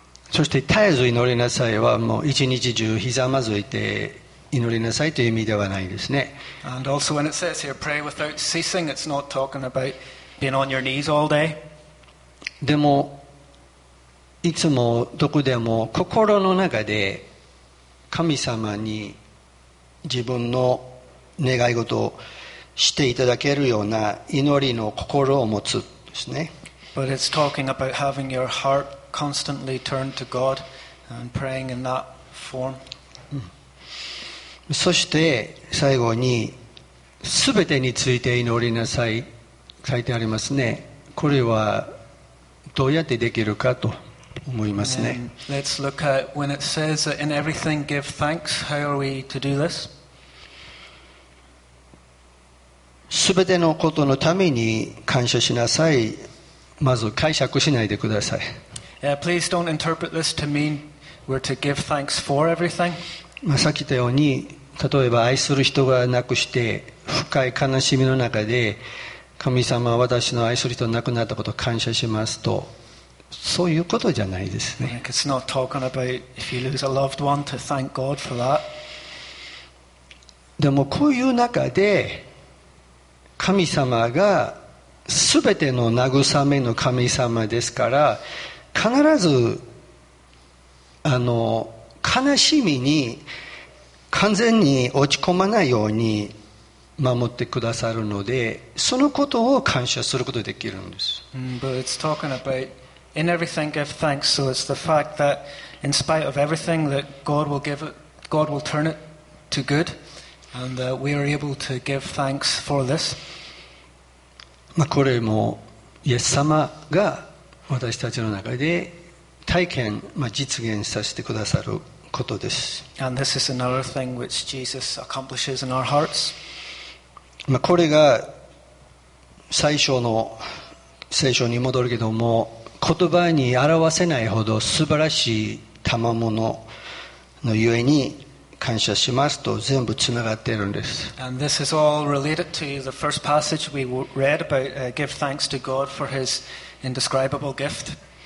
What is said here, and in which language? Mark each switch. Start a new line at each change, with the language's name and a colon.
Japanese: そして絶えず祈りなさいはもう一日中ひざまずいて祈りなさいという意味ではないですね。
English: And also when it says here pray without ceasing, it's not talking about being on your knees all day.
Japanese: でもいつもどこでも心の中で神様に自分の願い事をしていただけるような祈りの心を持つですね。
English: But it's talking about having your heart constantly turned to God and praying in that form.
Japanese: そして最後に全てについて祈りなさい書いてありますね。これはどうやってできるかと思いますね。
English: Let's look at when it says that in everything give thanks. How are we to do this?
Japanese: すべてのことのために感謝しなさい。まず解釈しないでください。
English: Please don't interpret this to mean we're to give thanks for everything.
Japanese: まあ、さっき言ったように、例えば愛する人が亡くして深い悲しみの中で、神様は私の愛する人が亡くなったことを感謝しますと。そういうことじゃないですね。
English: Like、it's not talking about if you lose a loved one to thank God for that.
Japanese: でもこういう中で神様が全ての慰めの神様ですから必ず悲しみに完全に落ち込まないように守ってくださるのでそのことを感謝することができるんです。
English: But it's talking aboutIn everything give thanks. So it's the fact that in spite of everything that God will give it, God will turn it to good and that we are able to give thanks for this.
Japanese: まあこれもイエス様が私たちの中で体験、まあ、実現させてくださることです。
English: And this is another thing which Jesus accomplishes in our hearts.
Japanese: まあこれが最初の聖書に戻るけども言葉に表せないほど素晴らしい賜物のゆえに感謝しますと全部つながっているんです。
English: And this is all related to the first passage we read about give thanks to God for his indescribable gift.